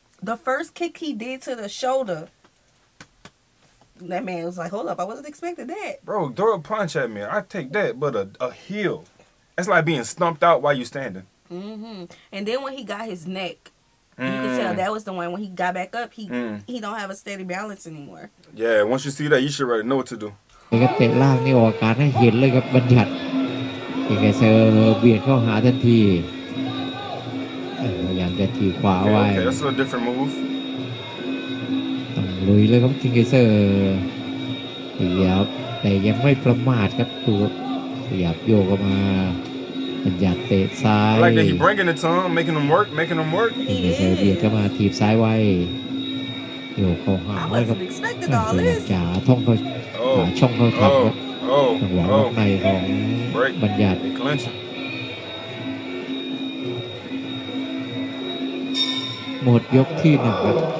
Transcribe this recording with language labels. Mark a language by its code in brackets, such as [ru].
[en] The first kick he did to the shoulder. That man was like, hold up, I wasn't expecting that. Bro, throw a punch at me. I take that, but a heel. That's like being stumped out while you're standing. Mm-hmm. And then when he got his neck... You can tell that was the one when he got back up. He don't have a steady balance anymore. Yeah, once you see that, you should already know what to do. [th] เด็กเตะล่างนี่ออกอาการให้เห็นเลยครับบัญญัติคิงไกเซอร์เบียดเข้าหาทันทีพยายามจะถีบขวาไว้ [en] Okay, that's a different move. [th] ต้องลุยเลยครับคิงไกเซอร์ขยับแต่ยังไม่ประมาทครับตัวขยับโยกออกมาบัญญัติเตะซ้าย [en] like that he bringing it to him making him work making him work [th] คิงไกเซอร์เบียดเข้ามาถีบซ้ายไว้โยกเข้าหา ครับ บัญญัติ จ่าท่องเขาช่องเขาครับจังหวะล็อกในของบัญญัติหมดยกที่หนึ่งครับ